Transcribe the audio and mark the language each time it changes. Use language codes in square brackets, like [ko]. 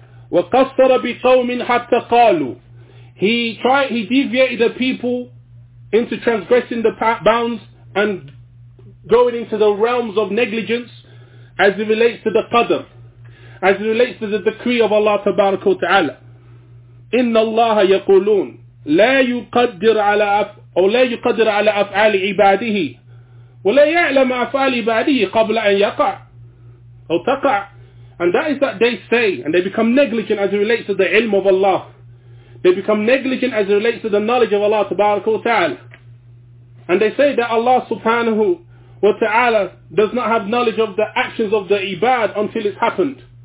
[ar] وَقَصَّرَ بِقَوْمٍ حَتَّى قَالُوا. [en] He deviated the people into transgressing the bounds and going into the realms of negligence as it relates to the qadr, as it relates to the decree of Allah tabaraka wa ta'ala. [ar] إِنَّ اللَّهَ يَقُولُونَ لا يقدر على أفعال عباده ولا يعلم أفعال عباده قبل أن يقع أو تقع. [en] And that is that they say, and they become negligent as it relates to the ilm of Allah. They become negligent as it relates to the knowledge of Allah tabarak wa ta'ala. And they say that Allah subhanahu wa ta'ala does not have knowledge of the actions of the ibad until it's happened.